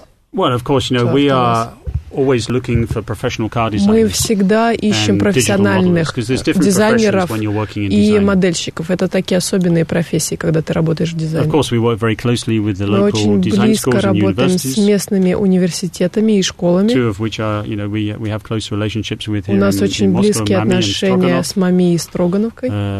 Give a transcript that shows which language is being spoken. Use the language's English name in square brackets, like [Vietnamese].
[English] Well, of course, you know, we are always looking for professional car designers. [Russian] Мы всегда ищем профессиональных дизайнеров и модельщиков. Это такие особенные профессии, когда ты работаешь в дизайне. [English] Of course, we work very closely with the local design schools and universities. [Russian] Мы очень близко работаем с местными университетами и школами. [English] Two of which are, you know, we have close relationships with here. [Russian] У нас очень близкие отношения с МАМИ и Строгановкой.